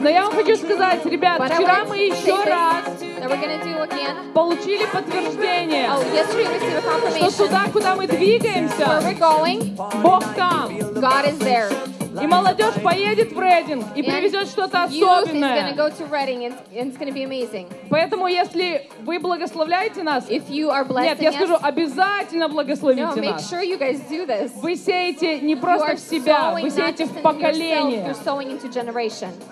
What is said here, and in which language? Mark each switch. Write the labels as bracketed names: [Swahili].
[Russian] Но я вам хочу сказать, ребят, [English] but [Russian] вчера мы еще раз [English] again, [Russian] получили подтверждение, [English] oh, yesterday we received a confirmation, [Russian] что туда, куда мы двигаемся, [English] where we're going, [Russian] Бог там. [English] God is there. [Russian] И молодежь поедет в Рединг и привезет что-то особенное. [English] Youth is gonna go to Reading and it's gonna be amazing. [Russian] Поэтому, если вы благословляете нас, [English] if you are blessing [Russian] нет, я скажу, обязательно благословите [English] no, [Russian] нас. [English] Make sure you guys do this. [Russian] Вы сеете не просто в себя, вы сеете в поколение. [English] You're sowing into generation.